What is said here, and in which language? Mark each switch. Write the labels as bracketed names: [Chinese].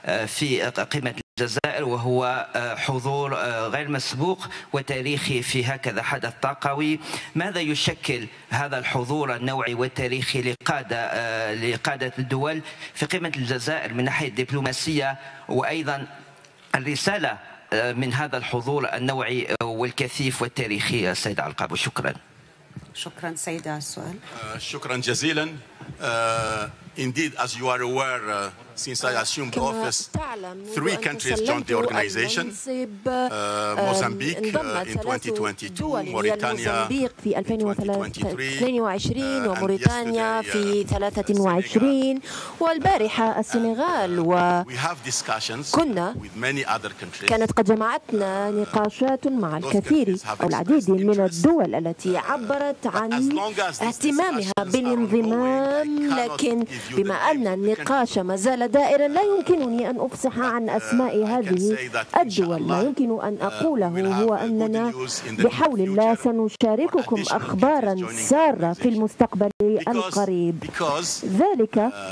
[Arabic] في قمة الجزائر وهو حضور غير مسبوق وتاريخي في هكذا حدث طاقوي ماذا يشكل هذا الحضور النوعي والتاريخي لقادة الدول في قمة الجزائر من ناحية الدبلوماسية وأيضا الرسالة من هذا الحضور النوعي والكثيف والتاريخي سيد عرقاب شكرا شكرا سيدة السؤال شكرا جزيلا [English] indeed as you are aware since I assumed office three countries joined the organization Mozambique in 2022 Mauritania [Arabic] في 2023 وموريتانيا في 23 والبارحة السنغال وكنا كانت قد جمعتنا نقاشات مع الكثير أو العديد من الدول التي عبرت عن اهتمامها بالانضمام لكن بما أن النقاش ما زال دائرا لا يمكنني أن أفصح عن أسماء هذه الدول ما يمكن أن أقوله هو أننا بحول الله سنشارككم أخبارا سارة في المستقبل القريب ذلك